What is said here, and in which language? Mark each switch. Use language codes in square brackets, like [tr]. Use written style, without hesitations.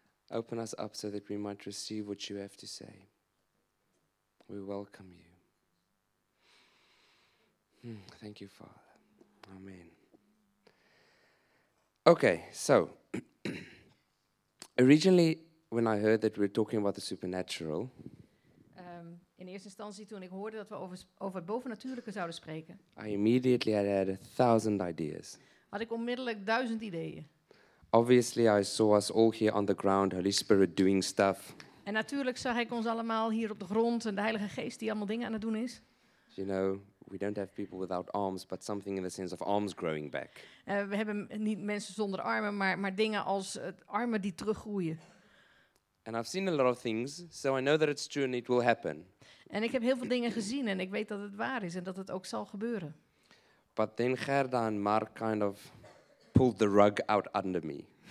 [en] Open us up so that we might receive what you have to say. We welcome you. Thank you, Father. Amen. Okay, so, originally when I heard that we're talking about the supernatural. [nl] In eerste instantie toen ik hoorde dat we over het bovennatuurlijke zouden spreken. [en] I immediately had 1,000 ideas. [nl] Had ik onmiddellijk 1,000 ideeën. [en] Obviously I saw us all here on the ground, Holy Spirit doing stuff. [nl] En natuurlijk zag ik ons allemaal hier op de grond en de Heilige Geest die allemaal dingen aan het doen is. [en] You know. We don't have people without arms, but something in the sense of arms growing back. [nl] We hebben niet mensen zonder armen, maar dingen als armen die teruggroeien. [en] And I've seen a lot of things, so I know that it's true and it will happen. [nl] En ik heb heel veel dingen gezien en ik weet dat het waar is en dat het ook zal gebeuren. [en] But then Gerda and Mark kind of pulled the rug out under me.